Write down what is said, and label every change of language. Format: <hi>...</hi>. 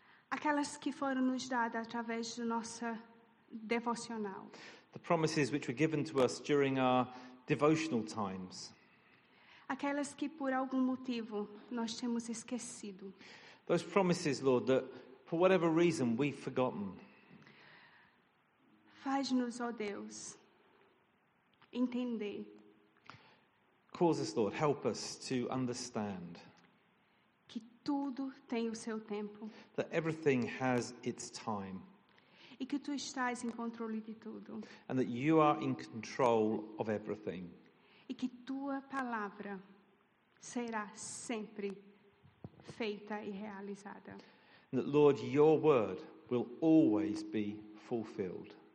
<pt>Aquelas que foram nos dadas através do nosso devocional.</pt> <en>The promises which were given to us during our devotional times.</en> <pt>Aquelas que por algum motivo nós temos esquecido.</pt> <en>Those promises, Lord, that for whatever reason we've forgotten.</en> <pt>Faz-nos, ó Deus, entender.</pt> <en>Cause us, Lord, help us to understand.</en> <pt>Que tudo tem o seu tempo.</pt> <en>That everything has its time.</en> <pt>E que tu estás em controle de tudo.</pt> <en>And that you are in control of everything.</en> <pt>E que tua palavra será sempre feita e realizada.</pt> <en>And that, Lord, your word will always be fulfilled.</en>